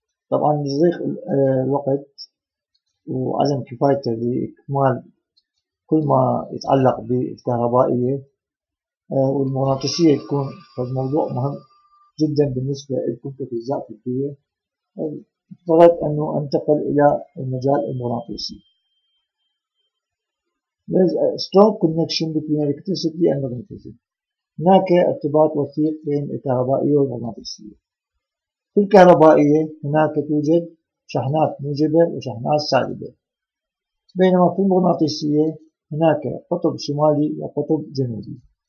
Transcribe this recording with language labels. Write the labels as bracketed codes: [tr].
[ar] طبعاً لضيق الوقت وعدم كفايته لإكمال كل ما يتعلق بالكهربائية والمغناطيسية تكون موضوع مهم جداً بالنسبة لكم كأجزاء طبية، اضطريت أنه أنتقل إلى المجال المغناطيسي. [en] There's a strong connection between electricity and magnetism. [ar] هناك ارتباط وثيق بين الكهربائية والمغناطيسية. في الكهربائية هناك توجد شحنات موجبة وشحنات سالبة، بينما في المغناطيسية هناك قطب شمالي وقطب جنوبي.